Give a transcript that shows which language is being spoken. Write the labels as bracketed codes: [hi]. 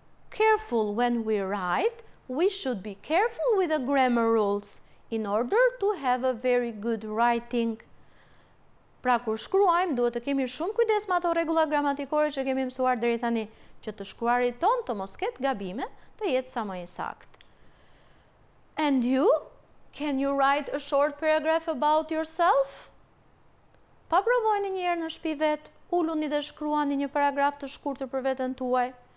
[en] Careful when we write, we should be careful with the grammar rules in order to have a very good writing. [sq] Pra kur shkruajmë, duhet të kemi shumë kujdes me ato rregulla gramatikore që kemi mësuar deri tani, që të shkruarit ton të mos ketë gabime, të jetë sa më I sakt. [en] And you, can you write a short paragraph about yourself? [sq] Pa provojni një herë në shtëpi vet, uluni dhe shkruani një paragraf të shkurtër për veten tuaj.